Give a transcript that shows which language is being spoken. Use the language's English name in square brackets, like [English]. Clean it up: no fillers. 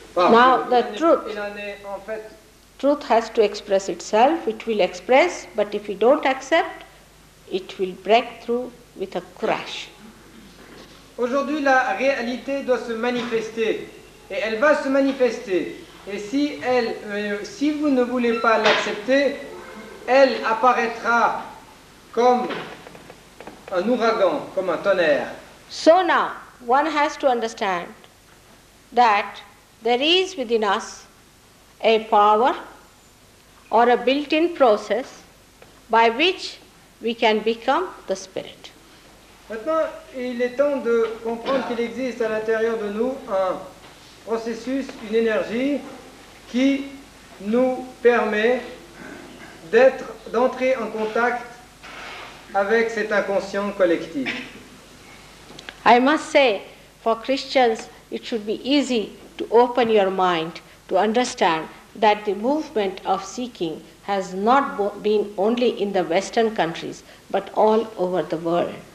[English] Now, the truth, truth has to express itself. It will express, but if we don't accept, it will break through with a crash. [French] Aujourd'hui, la réalité doit se manifester, et elle va se manifester. Et si vous ne voulez pas l'accepter, elle apparaîtra comme un ouragan, comme un tonnerre. [English] So now, one has to understand that there is within us a power or a built-in process by which we can become the spirit. [French] Maintenant, il est temps de comprendre qu'il existe à l'intérieur de nous un processus, une énergie qui nous permet d'entrer en contact avec cet inconscient collectif. [English] I must say, for Christians, it should be easy to open your mind to understand that the movement of seeking has not been only in the Western countries, but all over the world.